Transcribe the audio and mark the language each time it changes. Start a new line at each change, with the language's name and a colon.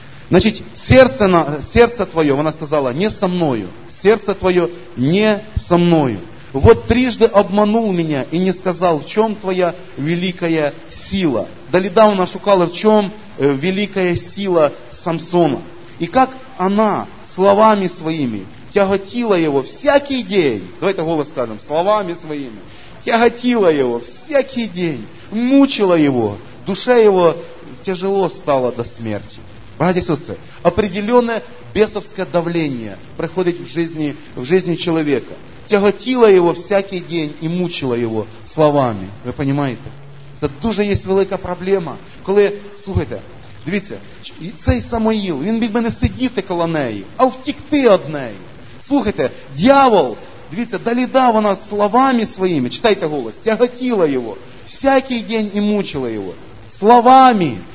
Ukrainian: Значить, серце твоє, вона сказала, не со мною. Серце твоє не со мною.
Russian: Вот трижды обманул меня и не сказал, в чем твоя великая сила. Далида вона шукала, в чем великая сила Самсона. И как она словами своими тяготила его всякий день. Давайте голос скажем. Словами своими. Тяготила его всякий день. Мучила его. Душа его тяжело стала до смерти. Братья и сестры, определенное бесовское давление приходит в жизни человека. Тяготило его всякий день и мучило его словами. Вы понимаете? Это дуже есть великая проблема.
Ukrainian: Коли, слушайте, дивіться, цей Самоїл, він міг би не сидіти коло неї, а втікти од неї. Слухайте, дьявол, дивіться, Даліда вона словами своїми, читайте голос, тяготило його всякий день і мучило його словами.